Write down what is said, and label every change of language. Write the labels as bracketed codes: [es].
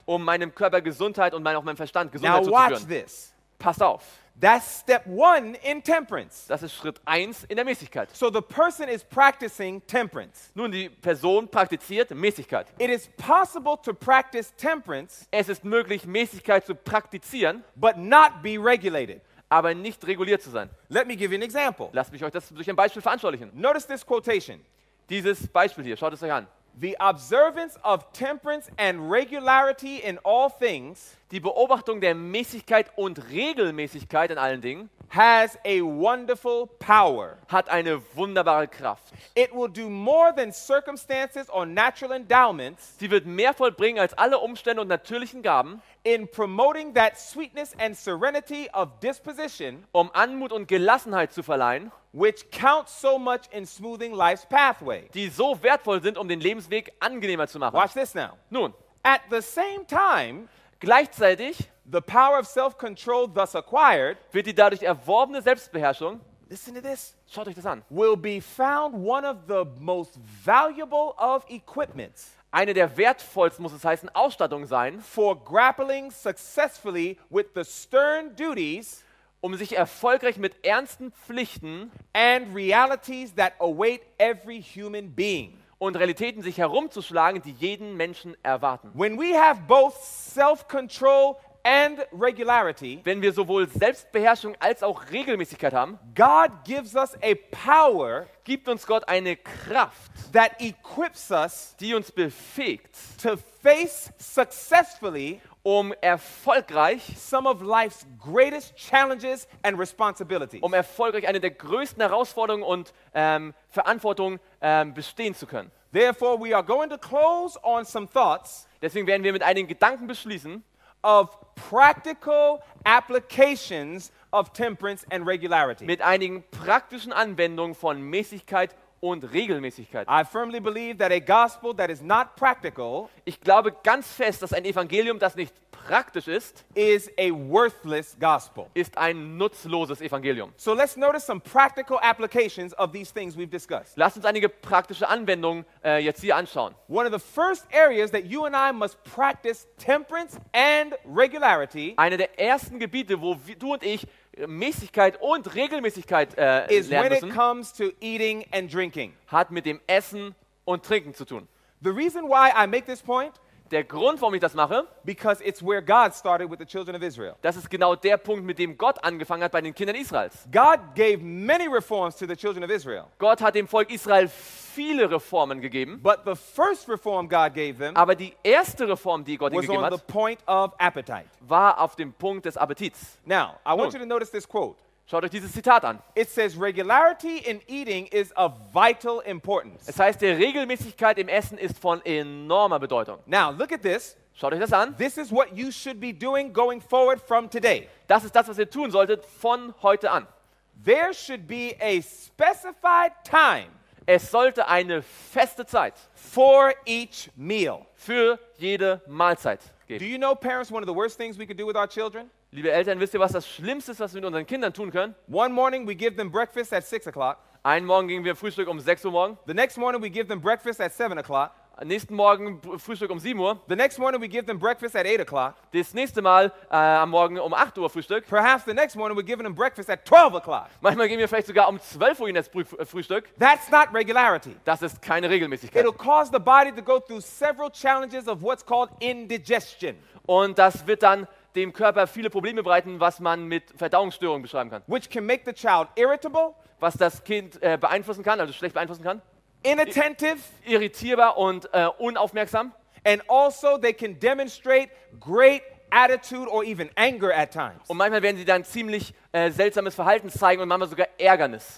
[de] Um meinem Körper Gesundheit und auch meinem Verstand Gesundheit [en] now, [de] zuzuführen. [en] Now watch this. [de] Pass auf. [en] That's step one in temperance. [de] Das ist Schritt 1 in der Mäßigkeit. [en] So the person is practicing temperance. [de] Nun, die Person praktiziert Mäßigkeit. [en] It is possible to practice temperance. [de] Es ist möglich, Mäßigkeit zu praktizieren. [en] But not be regulated. [de] Aber nicht reguliert zu sein. [en] Let me give you an example. [de] Lasst mich euch das durch ein Beispiel veranschaulichen. [en] Notice this quotation. [de] Dieses Beispiel hier, schaut es euch an. [en] The observance of temperance and regularity in all things, [de] die Beobachtung der Mäßigkeit und Regelmäßigkeit in allen Dingen, [en] has a wonderful power. [de] Hat eine wunderbare Kraft. [en] It will do more than circumstances or natural endowments. [de] Sie wird mehr vollbringen als alle Umstände und natürlichen Gaben. [en] In promoting that sweetness and serenity of disposition, [de] um Anmut und Gelassenheit zu verleihen, [en] which count so much in smoothing life's pathway, [de] die so wertvoll sind, um den Lebensweg angenehmer zu machen. [en] Watch this now. [de] Nun, [en] at the same time, [de] gleichzeitig, [en] the power of self-control thus acquired, [de] wird die dadurch erworbene Selbstbeherrschung, [en] listen to this, [de] schaut euch das an, [en] will be found one of the most valuable of equipments, [de] eine der wertvollsten, muss es heißen, Ausstattung sein, [en] for grappling successfully with the stern duties, [de] um sich erfolgreich mit ernsten Pflichten [en] and realities that await every human being, [de] und Realitäten sich herumzuschlagen, die jeden Menschen erwarten. [en] When we have both self-control and regularity, [de] wenn wir sowohl Selbstbeherrschung als auch Regelmäßigkeit haben, [en] God gives us a power, [de] gibt uns Gott eine Kraft, [en] that equips us, [de] die uns befähigt, [en] to face successfully, [de] um erfolgreich [en] some of life's greatest challenges and responsibilities, [de] um erfolgreich eine der größten Herausforderungen und Verantwortung bestehen zu können. [en] Therefore, we are going to close on some thoughts. [de] Deswegen werden wir mit einigen Gedanken beschließen. [en] Of practical applications of temperance and regularity. [de] Mit einigen praktischen Anwendungen von Mäßigkeit und Regelmäßigkeit. [en] I firmly believe that a gospel that is not practical, [de] ich glaube ganz fest, dass ein Evangelium, das nicht praktisch ist, [en] is a worthless gospel. [de] Ist ein nutzloses Evangelium. [en] So let's notice some practical applications of these things we've discussed. [de] Lasst uns einige praktische Anwendungen jetzt hier anschauen. [en] One of the first areas that you and I must practice temperance and regularity. [de] Eine der ersten Gebiete, wo du und ich Mäßigkeit und Regelmäßigkeit lernen müssen, [en] it comes to eating and drinking. [de] Hat mit dem Essen und Trinken zu tun. [en] The reason why I make this point, [de] der Grund, warum ich das mache, [en] because it's where God started with the children of Israel. [de] Das ist genau der Punkt, mit dem Gott angefangen hat bei den Kindern Israels. [en] God gave many reforms to the children of Israel. [de] Gott hat dem Volk Israel viele Reformen gegeben. [en] But the first reform God gave them, [de] aber die erste Reform, die Gott ihnen gegeben hat, [en] was on the point of appetite. [de] War auf dem Punkt des Appetits. [en] Now, I want you to notice this quote. [de] Schaut euch dieses Zitat an. [en] It says regularity in eating is of vital importance. [de] Es heißt, die Regelmäßigkeit im Essen ist von enormer Bedeutung. [en] Now look at this. [de] Schaut euch das an. [en] This is what you should be doing going forward from today. [de] Das ist das, was ihr tun solltet von heute an. [en] There should be a specified time. [de] Es sollte eine feste Zeit [en] for each meal. [de] Für jede Mahlzeit geben. [en] Do you know, parents, one of the worst things we could do with our children? [de] Liebe Eltern, wisst ihr, was das Schlimmste ist, was wir mit unseren Kindern tun können? [en] One morning we give them breakfast at 6 o'clock. [de] Einen Morgen geben wir Frühstück um 6 Uhr morgen. [en] The next morning we give them breakfast at 7 o'clock. [de] Nächsten Morgen Frühstück um 7 Uhr. [en] The next morning we give them breakfast at 8 o'clock. [de] Das nächste Mal am Morgen um 8 Uhr Frühstück. [en] Perhaps the next morning we're giving them breakfast at 12 o'clock. [de] Manchmal geben wir vielleicht sogar um 12 Uhr ihnen das Frühstück. [en] That's not regularity. [de] Das ist keine Regelmäßigkeit. [en] It'll cause the body to go through several challenges of what's called indigestion. [de] Und das wird dann dem Körper viele Probleme bereiten, was man mit Verdauungsstörungen beschreiben kann. [en] Which can make the child irritable, [de] was das Kind beeinflussen kann, also schlecht beeinflussen kann. [en] Inattentive, [de] irritierbar und unaufmerksam. [en] And also they can demonstrate great attitude or even anger at times. [de] Und manchmal werden sie dann ziemlich seltsames Verhalten zeigen und manchmal sogar Ärgernis.